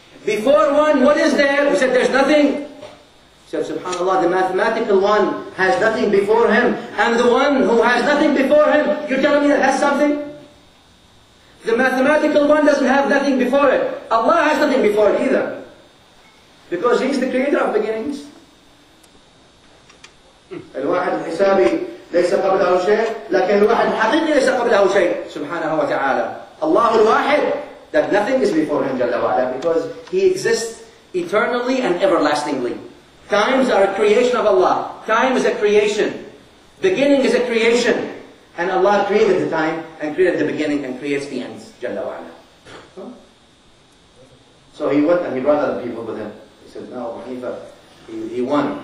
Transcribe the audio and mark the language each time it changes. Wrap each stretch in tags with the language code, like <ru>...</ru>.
<en>Before one, what is there? He said, there's nothing. He said, SubhanAllah, the mathematical one has nothing before him. And the one who has nothing before him, you're telling me that has something? The mathematical one doesn't have nothing before it. Allah has nothing before it either. Because he's the creator of beginnings.</en> <ar>الواحد الحسابي ليس قبله شيء لكن الواحد الحقيقي ليس قبله شيء سبحانه وتعالى الله الواحد that nothing is before him جل وعلا because he exists eternally and everlastingly.</ar> <en>Times are a creation of Allah. Time is a creation. Beginning is a creation. And Allah created the time and created the beginning and creates the ends جل وعلا. So he went and he brought other people with him. He said, no, Hanifa, he won.</en>